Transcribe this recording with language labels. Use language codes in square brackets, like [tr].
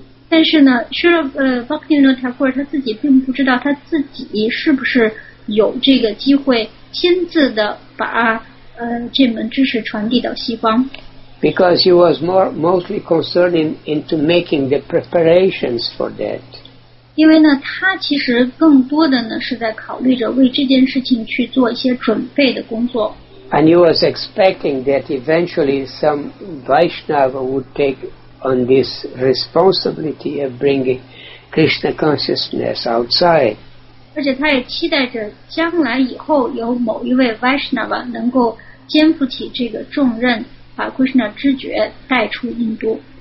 [zh] 但是呢 Srila Bhaktivinoda Thakur 他自己并不知道他自己是不是有这个机会亲自的把这门知识传递到西方。 [en] Because he was mostly concerned into making the preparations for that. [zh] 因为呢他其实更多的呢是在考虑着为这件事情去做一些准备的工作。 [en] And he was expecting that eventually some Vaishnava would take on this responsibility of bringing Krishna consciousness outside. [zh] 而且他也期待着将来以后有某一位 Vaishnava 能够肩负起这个重任，把 Krishna 知觉带出印度。